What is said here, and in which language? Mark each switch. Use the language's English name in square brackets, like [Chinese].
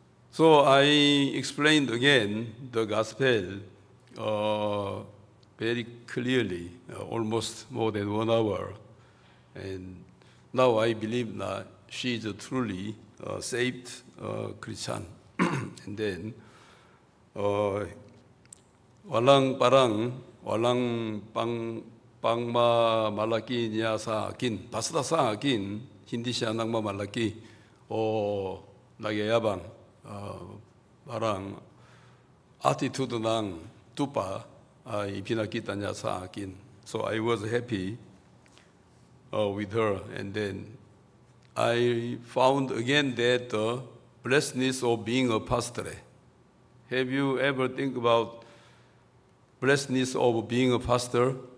[English] So I explained again the gospel very clearly, almost more than 1 hour. And now I believe that she is a truly saved Christian. [Filipino] And then, walang parang, walang pang pangma malaki niya sa akin, basta sa akin, hindi siya nangma malaki. O nagyayabang parang attitude ng tupa ay pinakita niya sa akin. [English] So I was happy with her. And then I found again that the blessedness of being a pastor. Have you ever think about blessedness of being a pastor?